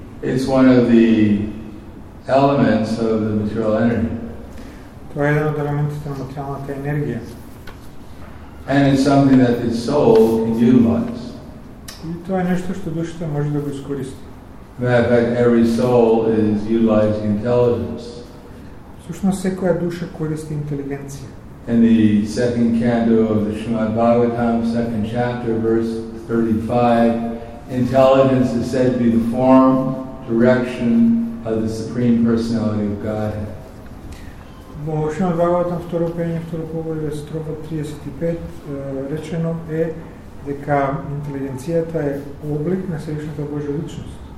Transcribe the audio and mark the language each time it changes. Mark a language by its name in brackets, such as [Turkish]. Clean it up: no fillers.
[English] It's one of the elements of the material energy. [Macedonian] Тоа е еден од елементите на материјалната енергија. [English] And it's something that the soul can utilize. [Macedonian] И тоа е нешто што душата може да го искористи. [English] In fact, every soul is utilizing intelligence. [Macedonian] Suštno svaka duša koristi inteligenciju. [English] And the second canto of the Srimad Bhagavatam, second chapter, verse 35, intelligence is said to be the form, direction of the Supreme Personality of Godhead. [Macedonian] Bo Srimad Bhagavatam, второ пење, второ поглавје, строфа 35, речено е дека интелигенцијата е облик на Севишната Божја личност.